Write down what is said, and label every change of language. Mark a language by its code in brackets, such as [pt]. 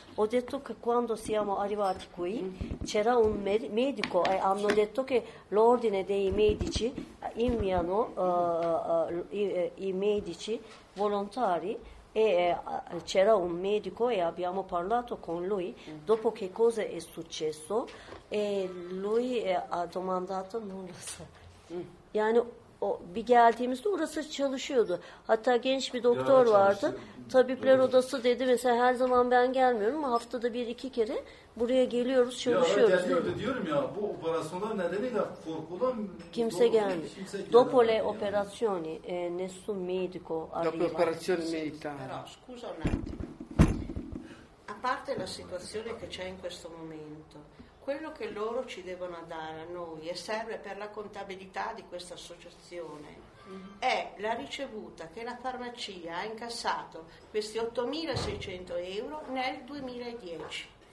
[it] Ho detto che quando siamo arrivati qui c'era un medico e hanno detto che l'ordine dei medici inviano i medici volontari. E c'era un medico e abbiamo parlato con lui dopo che cosa è successo e lui ha domandato non lo so. [tr] Yani o bir geldiğimizde orası çalışıyordu. Hatta genç bir doktor vardı. Tabipler odası dedi mesela her zaman ben gelmiyorum ama haftada bir iki kere buraya geliyoruz, çalışıyoruz. Ya geliyordu diyorum ya, bu operasyonlar nedeniyle korkulan kimse gelmiyor. [it] Dopo le operazioni nessun medico arriva. Dopo operazioni medica. Però scusa un attimo. A parte la situazione che c'è in questo momento, quello che loro ci devono dare a noi e serve per la contabilità di questa associazione è la ricevuta che la farmacia ha incassato, questi 8.600 euro nel 2010.